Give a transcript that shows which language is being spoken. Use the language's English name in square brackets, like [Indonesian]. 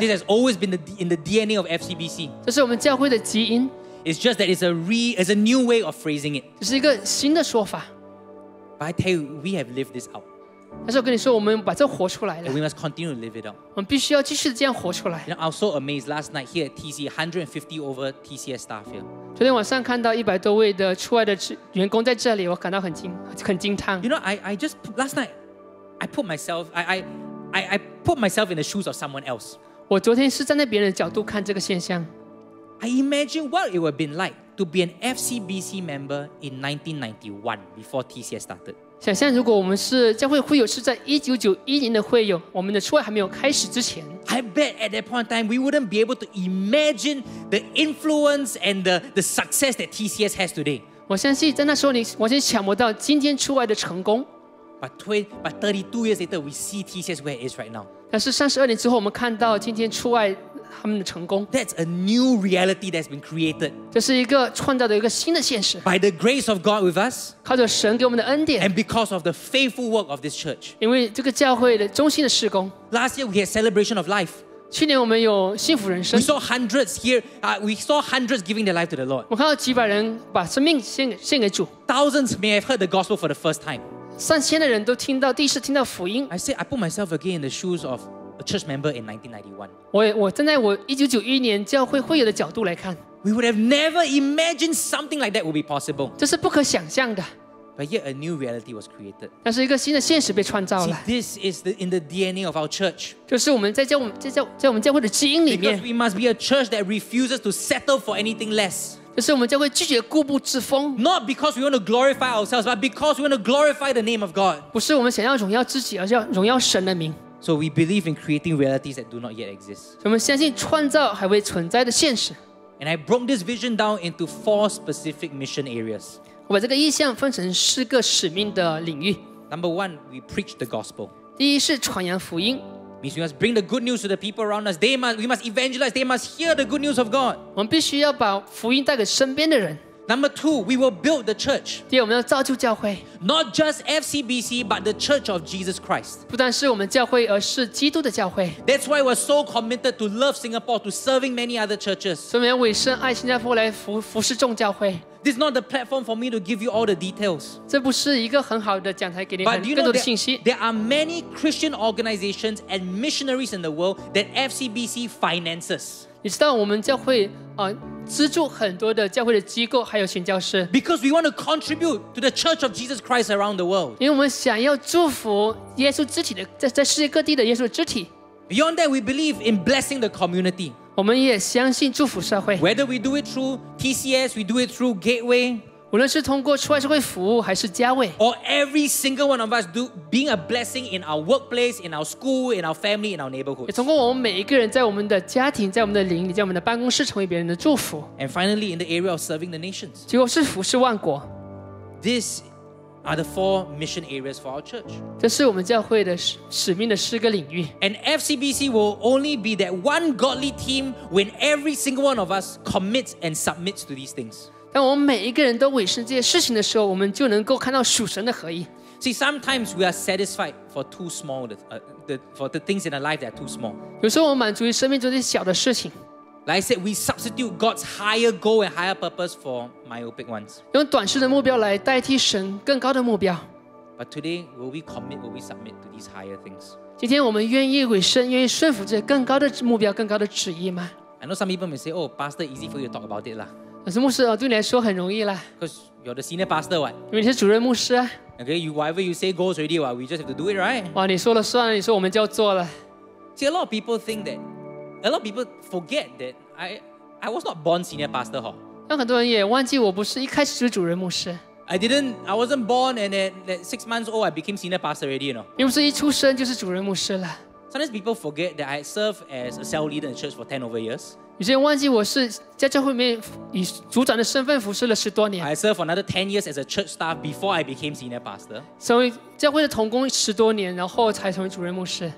[English] This has always been in the DNA of FCBC. [Chinese] 这是我们教会的基因。 [English] It's just that it's a new way of phrasing it. [Chinese] 这是一个新的说法。 [English] But I tell you, we have lived this out. [Chinese] 但是我跟你说，我们把这活出来了。 [English] And we must continue to live it out. [Chinese] 我们必须要继续这样活出来。 [English] You know, I was so amazed last night here at TC, 150 over TCS staff here. [Chinese] 昨天晚上看到100多位的出来的员工在这里，我感到很惊叹。 [English] You know, I just last night, I put myself in the shoes of someone else. [Chinese] 我昨天是站在别人的角度看这个现象。 [English] I imagine what it would have been like to be an FCBC member in 1991 before TCS started. [Chinese] 想象如果我们是教会会友是在1991年的会友，我们的初会还没有开始之前， [English] I bet at that point in time we wouldn't be able to imagine the influence and the success that TCS has today. [Chinese] 我相信在那时候你完全想不到今天初会的成功。 [English] But 32 years later we see TCS where it is right now. [Chinese] 但是32年之后我们看到今天初会他们的成功。 [English] That's a new reality that's been created. [Chinese] 这是一个创造的一个新的现实。 [English] By the grace of God with us, [Chinese] 靠着神给我们的恩典。 [English] And because of the faithful work of this church, [Chinese] 因为这个教会的忠心的事工。 [English] Last year we had celebration of life. [Chinese] 去年我们有幸福人生。 [English] We saw hundreds here, we saw hundreds giving their life to the Lord. [Chinese] 我看到几百人把生命献给主。 [English] Thousands may have heard the gospel for the first time. [Chinese] 上千的人都听到第一次听到福音。 [English] I say I put myself again in the shoes of a church member in 1991. [Chinese] 我站在我1991年教会会友的角度来看， [English] we would have never imagined something like that would be possible. [Chinese] 这是不可想象的。 [English] But yet a new reality was created. [Chinese] 但是一个新的现实被创造了。 [English] See, this is in the DNA of our church. [Chinese] 就是我们在我们教会的基因里面。 [English] Because we must be a church that refuses to settle for anything less. [Chinese] 就是我们教会拒绝固步自封。 [English] Not because we want to glorify ourselves, but because we want to glorify the name of God. [Chinese] 不是我们想要荣耀自己，而是要荣耀神的名。 [English] So we believe in creating realities that do not yet exist. [Chinese] 我们相信创造还未存在的现实。 [English] And I broke this vision down into four specific mission areas. [Chinese] 我把这个意象分成四个使命的领域。 [English] Number one, we preach the gospel. [Chinese] 第一是传扬福音。 [English] Means we must bring the good news to the people around us. We must evangelize. They must hear the good news of God. [Chinese] 我们必须要把福音带给身边的人。 [English] Number two, we will build the church. [Chinese] 第二，我们要造就教会。 [English] Not just FCBC, but the church of Jesus Christ. [Chinese] 不但是我们教会，而是基督的教会。 [English] That's why we're so committed to love Singapore, to serving many other churches. [Chinese] 所以我们要委身爱新加坡来服侍众教会。 [English] This is not the platform for me to give you all the details. [Chinese] 这不是一个很好的讲台给你很更多的信息。 [English] There are many Christian organizations and missionaries in the world that FCBC finances. [Chinese] 你知道我们教会啊？资助很多的教会的机构还有宣教师 [English] because we want to contribute to the church of Jesus Christ around the world [Chinese] 因为我们想要祝福耶稣肢体的 在世界各地的耶稣肢体 [English] beyond that we believe in blessing the community [Chinese] 我们也相信祝福社会 [English] whether we do it through TCS we do it through Gateway [Chinese] 无论是通过出外社会服务还是家卫 [English] or every single one of us do being a blessing in our workplace in our school in our family in our neighborhood [Chinese] 也通过我们每一个人在我们的家庭在我们的邻里在我们的办公室成为别人的祝福 [English] and finally in the area of serving the nations [Chinese] 结果是服侍万国 [English] this are the four mission areas for our church [Chinese] 这是我们教会的使命的四个领域 [English] and FCBC will only be that one godly team when every single one of us commits and submits to these things [Chinese] 当我们每一个人都委身这些事情的时候，我们就能够看到属神的合一。 [English] See, sometimes we are satisfied for too small for the things in our life that are too small. [Chinese] 有时候我们满足于生命中这些小的事情。 [English] Like I said, we substitute God's higher goal and higher purpose for myopic ones. [Chinese] 用短视的目标来代替神更高的目标。 [English] But today, will we commit? Will we submit to these higher things? [Chinese] 今天我们愿意委身，愿意顺服这些更高的目标、更高的旨意吗 [English] ？I know some people may say, "Oh, Pastor, easy for you to talk about it, lah." [Chinese] 我是牧师哦，对你来说很容易了。 [English] Because you're the senior pastor, what? [Chinese] 因为你是主任牧师啊。 [English] Okay, you whatever you say goes already, what? We just have to do it, right? [Chinese] 哇，你说了算，你说我们就要做了。 [English] See, a lot of people forget that I was not born senior pastor, huh? [Chinese] 但很多人也忘记我不是一开始就是主任牧师。 [English] I wasn't born and at 6 months old, I became senior pastor already, you know? [Chinese] 你不是一出生就是主任牧师了。 [English] Sometimes people forget that I served as a cell leader in the church for 10 over years. [Chinese] 有些人忘记我是在教会里面以组长的身份服侍了十多年。 [English] I served another 10 years as a church staff before I became senior pastor. [Chinese] 成为教会的同工十多年，然后才成为主任牧师。